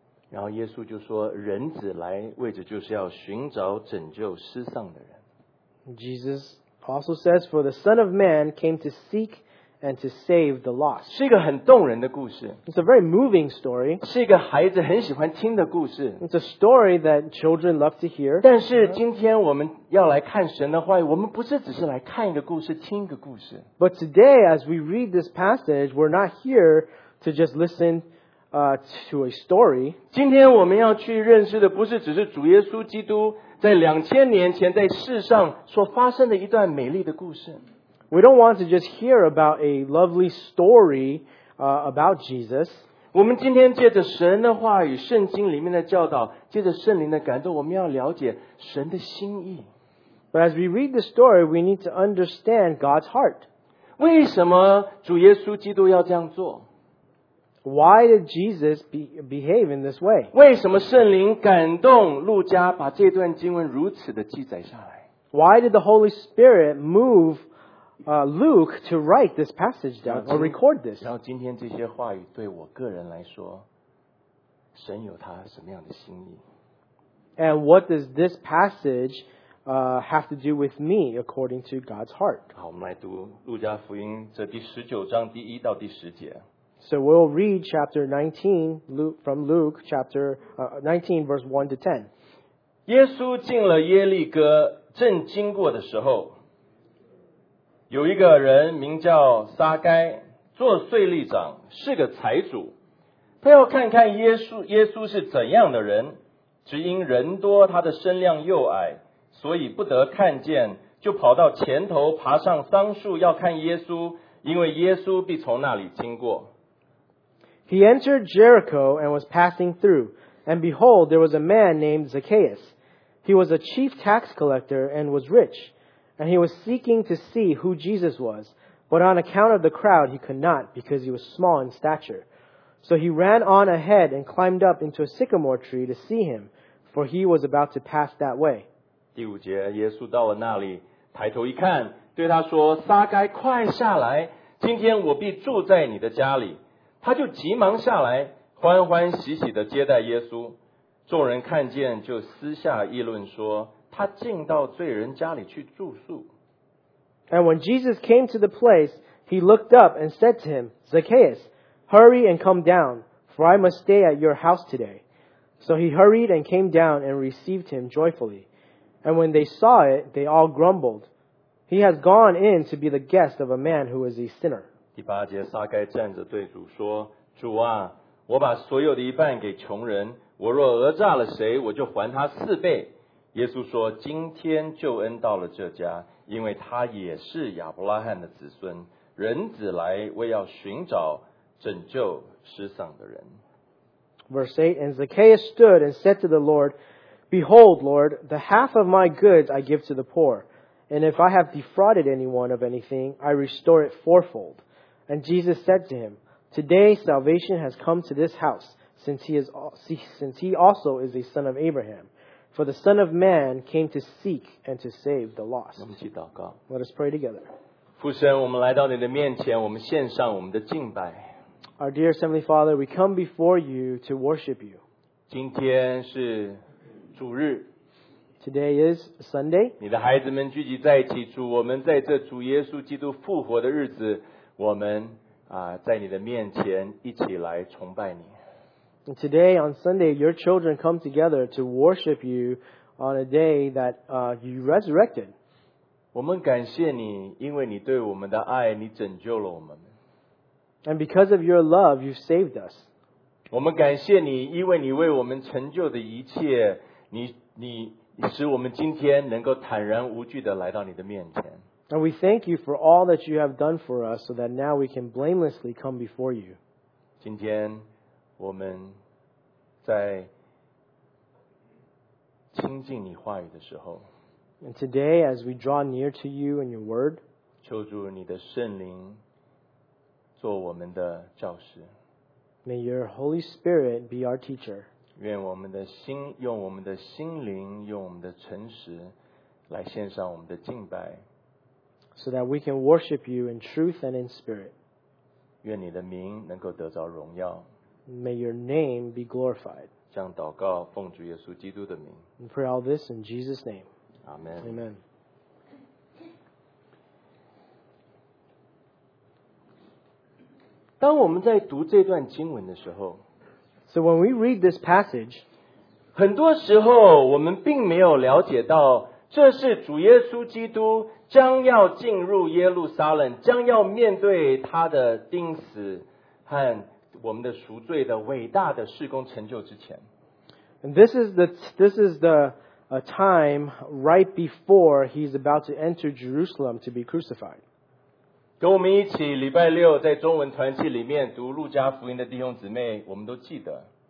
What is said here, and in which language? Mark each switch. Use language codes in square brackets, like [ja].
[zh] 然后耶稣就说，人子来为着就是要寻找拯救失丧的人。 [en] Jesus also says, for the Son of Man came to seek and to save the lost. [zh] 是一个很动人的故事。 [en] It's a very moving story. [zh] 是一个孩子很喜欢听的故事。 [en] It's a story that children love to hear. [zh] 但是今天我们要来看神的话语，我们不是只是来看一个故事，听一个故事。 [en] But today, as we read this passage, we're not here to just listen, to a story. [zh] 今天我们要去认识的不是只是主耶稣基督在2000年前在世上所发生的一段美丽的故事。 [en] We don't want to just hear about a lovely story, about Jesus. [zh] 我们今天借着神的话语，圣经里面的教导，借着圣灵的感动，我们要了解神的心意。 [en] But as we read the story, we need to understand God's heart. [zh] 为什么主耶稣基督要这样做？ [en] Why did Jesus behave in this way? [zh] 为什么圣灵感动路加把这段经文如此的记载下来？ [en] Why did the Holy Spirit move Luke to write this passage down or record this. [zh] 然后今天这些话语对我个人来说，神有他什么样的心意？ [en] And what does this passage have to do with me according to God's heart? [zh] 好，我们来读路加福音这第十九章第一到第十节。 [en] So we'll read chapter 19, Luke, from Luke chapter 19, verse 1 to 10. [zh] 耶稣进了耶利哥，正经过的时候，有一个人名叫撒该，做税吏长，是个财主。他要看看耶稣是怎样的人，只因人多，他的身量又矮，所以不得看见，就跑到前头，爬上桑树，要看耶稣，因为耶稣必从那里经过。 [en] He entered Jericho and was passing through, and behold, there was a man named Zacchaeus. He was a chief tax collector and was rich, and he was seeking to see who Jesus was, but on account of the crowd he could not, because he was small in stature. So he ran on ahead and climbed up into a sycamore tree to see him, for he was about to pass that way. [zh] 第五节，耶稣到了那里，抬头一看，对他说，撒该，快下来，今天我必住在你的家里。他就急忙下来，欢欢喜喜地接待耶稣。众人看见，就私下议论说，他进到罪人家里去住宿。 [en] And when Jesus came to the place, he looked up and said to him, Zacchaeus, hurry and come down, for I must stay at your house today. So he hurried and came down and received him joyfully. And when they saw it, they all grumbled. He has gone in to be the guest of a man who is a sinner. [zh] 第八节，撒该站着对主说，主啊，我把所有的一半给穷人，我若讹诈了谁，我就还他四倍。耶稣说，今天救恩到了这家，因为他也是亚伯拉罕的子孙。人子来，为要寻找拯救失丧的人。 [en] Verse 8, And Zacchaeus stood and said to the Lord, Behold, Lord, the half of my goods I give to the poor, and if I have defrauded anyone of anything, I restore it fourfold. And Jesus said to him, Today salvation has come to this house, since he also is a son of Abraham. For the Son of Man came to seek and to save the lost. [zh] 我们去祷告。 [en] Let us pray together. [zh] 父神，我们来到你的面前，我们献上我们的敬拜。 [en] Our dear Heavenly Father, we come before you to worship you. [zh] 今天是主日。 [en] Today is Sunday. [zh] 你的孩子们聚集在一起，主，我们在这主耶稣基督复活的日子，我们在你的面前一起来崇拜你。 [en] And today on Sunday, your children come together to worship you on a day that you resurrected. [zh] 我们感谢你，因为你对我们的爱，你拯救了我们。 [en] And because of your love, you've saved us. [zh] 我们感谢你，因为你为我们成就的一切，你使我们今天能够坦然无惧地来到你的面前。 [en] And we thank you for all that you have done for us so that now we can blamelessly come before you. [zh] 今天我们在亲近你话语的时候。 [en] And today, as we draw near to you and your word, [zh] 求主你的圣灵做我们的教师。 [en] May your Holy Spirit be our teacher. [zh] 愿我们的心，用我们的心灵，用我们的诚实来献上我们的敬拜。 [en] So that we can worship you in truth and in spirit. [zh] 愿你的名能够得着荣耀。 [en] May your name be glorified. [zh] 这样祷告，奉主耶稣基督的名。 [en] We pray all this in Jesus' name. Amen. Amen. [zh] 当我们在读这段经文的时候， [en] So when we read this passage, [zh] 很多时候我们并没有了解到这是主耶稣基督将要进入耶路撒冷，将要面对他的钉死和我们的赎罪的伟大的事工成就之前。 [en] And this is the time right before he's about to enter Jerusalem to be crucified. [zh] 跟我们一起礼拜六在中文团契里面读路加福音的弟兄姊妹，我们都记得。